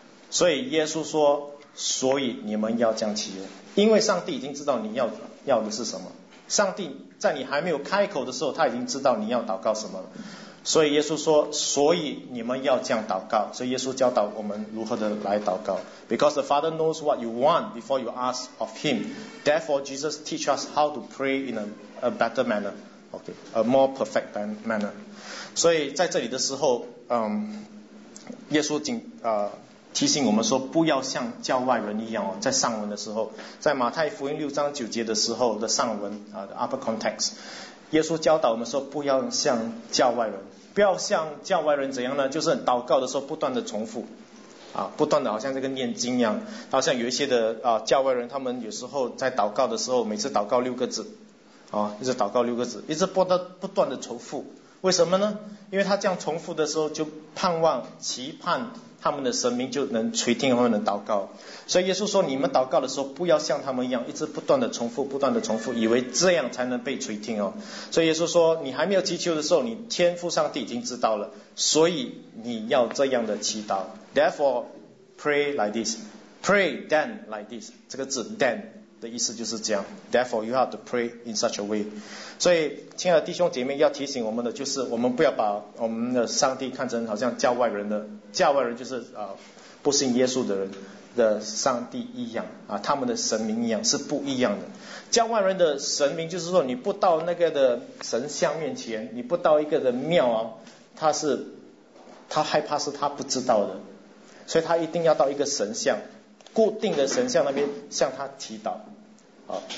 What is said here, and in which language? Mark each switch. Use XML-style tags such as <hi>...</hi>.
<zh>所以耶稣说，所以你们要这样祈求，因为上帝已经知道你要的是什么。上帝在你还没有开口的时候，他已经知道你要祷告什么了。所以耶稣说，所以你们要这样祷告。所以耶稣教导我们如何的来祷告。</zh> <en>Because the Father knows what you want before you ask of him, therefore Jesus teach us how to pray in a better manner, okay, a more perfect manner.</en> <zh>所以在这里的时候，耶稣提醒我们说，不要像教外人一样哦，在上文的时候，在马太福音六章九节的时候的上文啊 ，</zh> <en>the upper context，</en> <zh>耶稣教导我们说，不要像教外人，不要像教外人怎样呢？就是祷告的时候不断的重复，啊，不断的好像这个念经一样，好像有一些的啊教外人，他们有时候在祷告的时候，每次祷告六个字，啊，一直祷告六个字，一直不断的重复，为什么呢？因为他这样重复的时候，就盼望期盼。他们的神明就能垂听他们的祷告。所以耶稣说，你们祷告的时候不要像他们一样一直不断的重复不断的重复，以为这样才能被垂听哦。所以耶稣说，你还没有祈求的时候，你天父上帝已经知道了，所以你要这样的祈祷。</zh> <en>Therefore pray like this, pray then like this,</en> <zh>这个字</zh> <en>then</en> <zh>的意思就是这样。</zh> <en>Therefore you have to pray in such a way。</en> <zh>所以亲爱的弟兄姐妹，要提醒我们的就是，我们不要把我们的上帝看成好像教外人的，教外人就是不信耶稣的人的上帝一样啊，他们的神明一样是不一样的。教外人的神明就是说，你不到那个的神像面前，你不到一个的庙啊，他害怕是他不知道的，所以他一定要到一个神像，固定的神像那边向他祈祷啊。</zh>